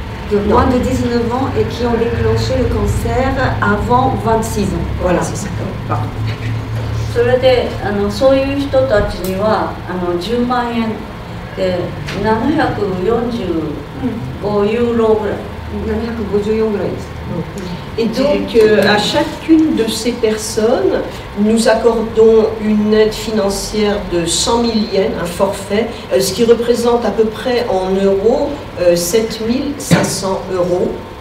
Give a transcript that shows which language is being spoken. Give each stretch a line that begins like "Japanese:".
French: de moins de 19 ans et qui ont déclenché le cancer avant 26 ans. Voilà, c'est ça. Pardon.
Japanese: それで、あの、そういう人たちには、あの、10万円で745ユーロぐらい。 754ぐらいです。
French: Et donc, à chacune de ces personnes, nous accordons une aide financière de 100 000 yens, un forfait, ce qui représente à peu près en euros 7 500 euros.